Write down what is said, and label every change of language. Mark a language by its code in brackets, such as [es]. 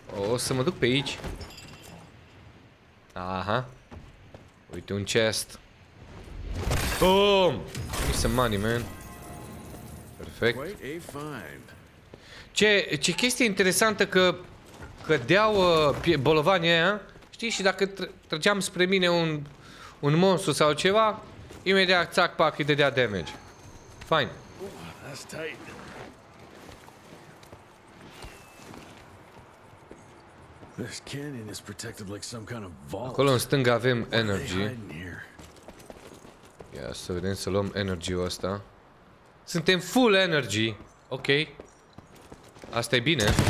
[ro] O să mă duc pe aici. Aha. Uite un chest. Boom! [en] Give some money, man. [ro] Perfect. Ce chestie interesantă că cădeau bolovanii aia. Știi, și dacă trăgeam spre mine un monstru sau ceva, imediat țac pac îi dădea damage. [en] Fine. This canyon is protected like some kind of vault. [ro] Acolo în stânga avem energy. Ia să vedem să luăm energy-ul ăsta. Suntem full energy. Ok. Asta e bine.